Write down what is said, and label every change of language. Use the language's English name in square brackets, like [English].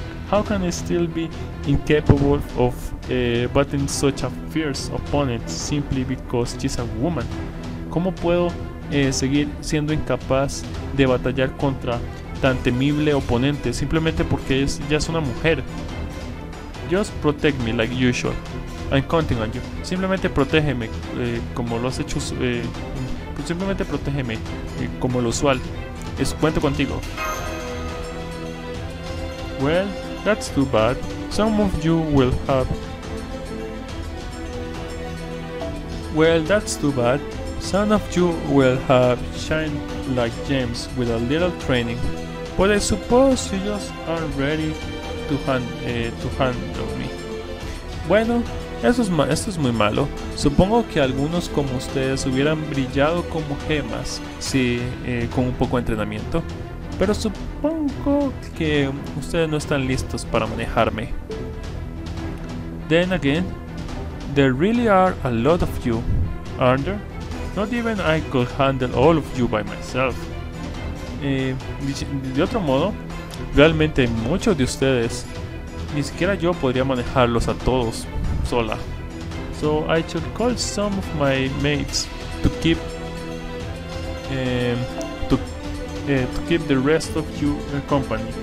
[English] How can I still be incapable of battling such a fierce opponent simply because she's a woman? [Spanish] ¿Cómo puedo seguir siendo incapaz de batallar contra tan temible oponente simplemente porque ella es una mujer? [English] Just protect me like usual. I'm counting on you. [Spanish] Simplemente protégeme como lo has hecho. Simplemente protégeme como lo usual. Cuento contigo. [English] Well, that's too bad. Some of you will have shined like gems with a little training. But I suppose you just aren't ready to handle me. [Spanish] Bueno, esto es muy malo. Supongo que algunos como ustedes hubieran brillado como gemas con un poco de entrenamiento. Pero supongo que ustedes no están listos para manejarme. [English] Then again, there really are a lot of you, aren't there? Not even I could handle all of you by myself. [Spanish] De otro modo, realmente muchos de ustedes, ni siquiera yo podría manejarlos a todos sola. [English] So I should call some of my mates to keep the rest of you company.